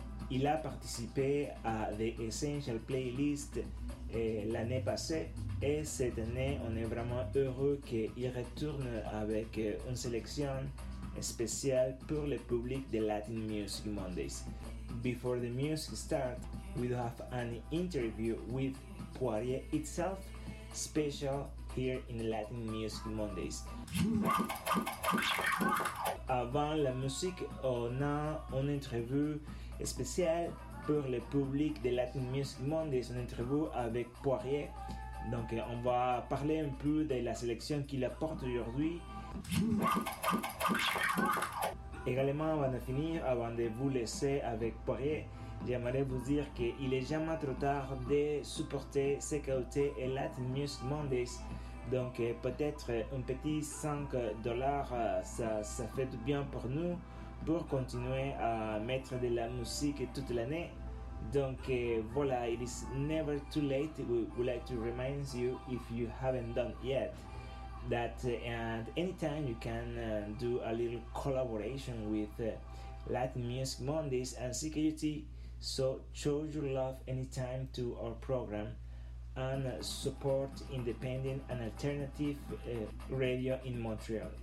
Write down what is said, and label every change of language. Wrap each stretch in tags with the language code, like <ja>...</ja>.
<fr>Il a participé à The Essential Playlist l'année passée. Et cette année, on est vraiment heureux qu'il retourne avec une sélection spéciale pour le public de Latin Music Mondays.</fr> <en>Before the music starts, we have an interview with Poirier itself, special here in Latin Music Mondays.</en> <fr>Avant la musique, on a une interview spéciale pour le public de Latin Music Mondays, une interview avec Poirier. Donc, on va parler un peu de la sélection qu'il apporte aujourd'hui. Également, avant de finir, avant de vous laisser avec Poirier, j'aimerais vous dire qu'il n'est jamais trop tard de supporter CKOT et Latin Music Mondays. Donc, peut-être un petit 5$, ça fait du bien pour nous pour continuer à mettre de la musique toute l'année. Donc voilà,</fr> <en>it is never too late. We would like to remind you, if you haven't done yet, that at any time you can do a little collaboration with Latin Music Mondays and CKUT. So show your love anytime to our program and support independent and alternative radio in Montreal,</en>